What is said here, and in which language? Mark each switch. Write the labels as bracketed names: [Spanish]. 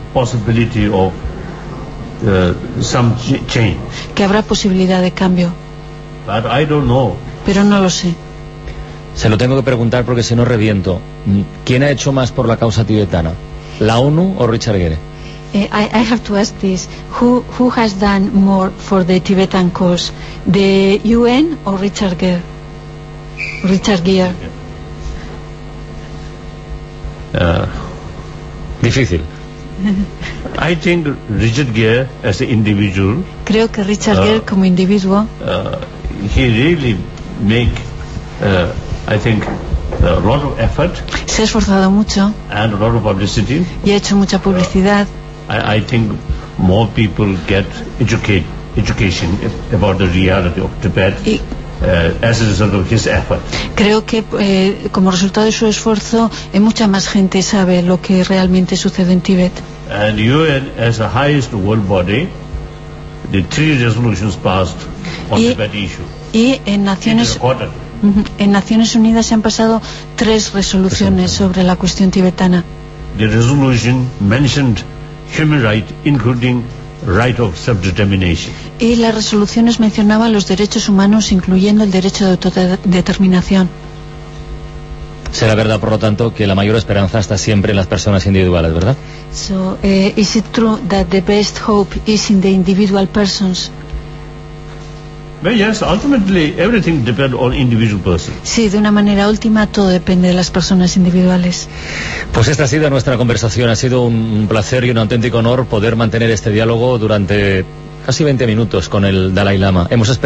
[English] Possibility of some change. [Spanish] Que habrá posibilidad de cambio. [English] But I don't know. [Spanish] Pero no lo sé. Se lo tengo que preguntar porque si no reviento. ¿Quién ha hecho más por la causa tibetana? ¿La ONU o Richard Gere? [English] I have to ask this. Who has done more for the Tibetan cause? The UN or Richard Gere? Richard Gere. [Spanish] Difícil. [English] I think Richard Gere as an individual. [Spanish] Creo que Richard Gere como individuo. [English] He really make, I think, a lot of effort. [Spanish] Se ha esforzado mucho. [English] And a lot of publicity. [Spanish] Y ha hecho mucha publicidad. [English] I think more people get education about the reality of Tibet as a result of his effort. [Spanish] Creo que como resultado de su esfuerzo, mucha más gente sabe lo que realmente sucede en Tibet. [English] And UN as the highest world body, the three resolutions passed on the Tibet issue. [Spanish] Y en Naciones Unidas se han pasado tres resoluciones sobre la cuestión tibetana. [English] The resolution mentioned human right, including right of self-determination. [Spanish] Y las resoluciones mencionaban los derechos humanos, incluyendo el derecho de autodeterminación. Será verdad, por lo tanto, que la mayor esperanza está siempre en las personas individuales, ¿verdad? [English] So, is it true that the best hope is in the individual persons? Well, yes, ultimately everything depends on individual person. [Spanish] Sí, de una manera última todo depende de las personas individuales. Pues esta ha sido nuestra conversación. Ha sido un placer y un auténtico honor poder mantener este diálogo durante casi 20 minutos con el Dalai Lama. Hemos esperado un ratito aquí en la Casa del Tíbet, pero francamente